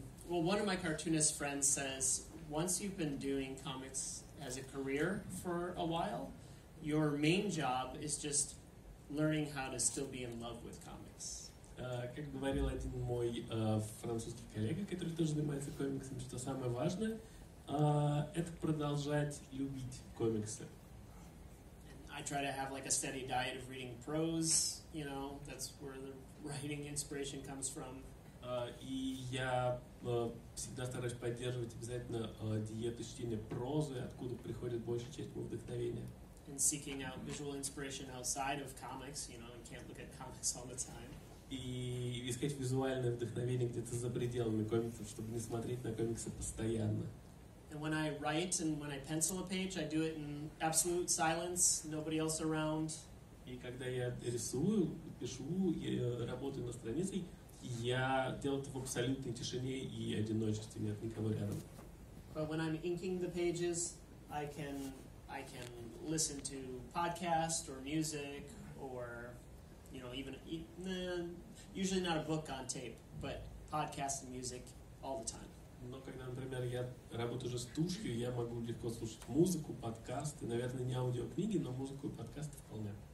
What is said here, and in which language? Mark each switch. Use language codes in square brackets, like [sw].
[en] Well, one of my cartoonist friends says, once you've been doing comics as a career for a while, your main job is just learning how to still be in love with comics. [ru] Как говорил один мой французский коллега, который тоже занимается комиксами, что самое важное, это продолжать любить комиксы. [en] And I try to have like a steady diet of reading prose, you know, that's where the writing inspiration comes from. [ru] И я всегда стараюсь поддерживать обязательно диету чтения прозы, откуда приходит большая часть моего вдохновения. [en] And seeking out visual inspiration outside of comics, you know, you can't look at comics all the time. [ru] И искать визуальное вдохновение где-то за пределами комиксов, чтобы не смотреть на комиксы постоянно. [en] And when I write and when I pencil a page, I do it in absolute silence, nobody else around. [ru] И когда я рисую, пишу, я работаю над страницей, я делаю это в абсолютной тишине и одиночестве, нет никого рядом. [en] But when I'm inking the pages, I can listen to podcast or music or, you know, usually not a book on tape, but podcast and music all the time. [ru] Но когда, например, я работаю уже с тушью, я могу легко слушать музыку, подкасты, наверное, не аудиокниги, но музыку и подкасты вполне.